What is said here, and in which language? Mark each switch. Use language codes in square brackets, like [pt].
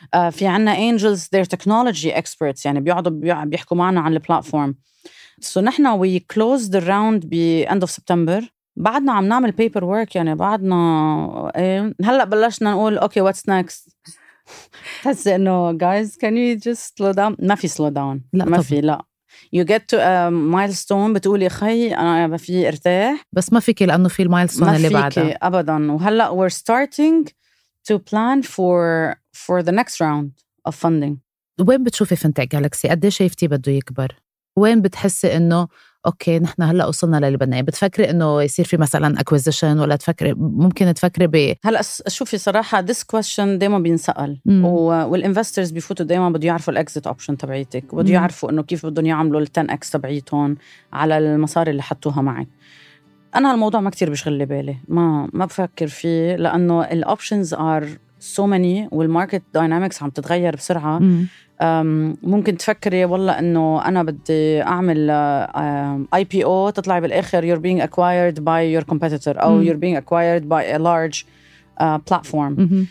[ar] في عنا [en] angels they're technology experts, [ar] يعني بيقعدوا بيحكوا معنا عن البلاتفورم. [en] So [ar] نحنا [en] we closed the round by end of September. [ar] بعدنا عم نعمل paperwork, يعني بعدنا هلأ بلشنا نقول [en] okay what's next. [ar] حس إنه [en] guys can you just slow down. [ar] ما في [en] slow down, [ar] لا ما في, لا [en] you get to a milestone [ar] بتقولي خي أنا بفي ارتاح, بس ما فيك لأنه في milestone اللي بعدها. ما فيك أبدا. وهلأ [en] we're starting to plan for the next round of funding. [ar] وين بتشوفي فنتك جالكسي؟ قد ايش شايفتي بده يكبر؟ وين بتحسي إنه أوكي نحن هلأ وصلنا للي بدنا؟ بتفكري إنه يصير في مثلاً acquisition ولا تفكري ممكن تفكري ب هلأ؟ شوفي صراحة [en] this question [ar] دايماً بينسأل والinvestors بيفوتوا دايماً بدو يعرفوا الexit option تبعيتك, بدو يعرفوا إنه كيف بدهم يعملوا ال10x تبعيتهم على المصاري اللي حطوها معك. أنا هالموضوع ما كتير بشغل بالي, ما بفكر فيه لأنه ال [en] options are so many [ar] وال [en] market dynamics [ar] عم تتغير بسرعة. ممكن تفكري والله أنه أنا بدي أعمل IPO تطلع بالآخر [en] you're being acquired by your competitor [ar] أو [en] you're being acquired by a large platform.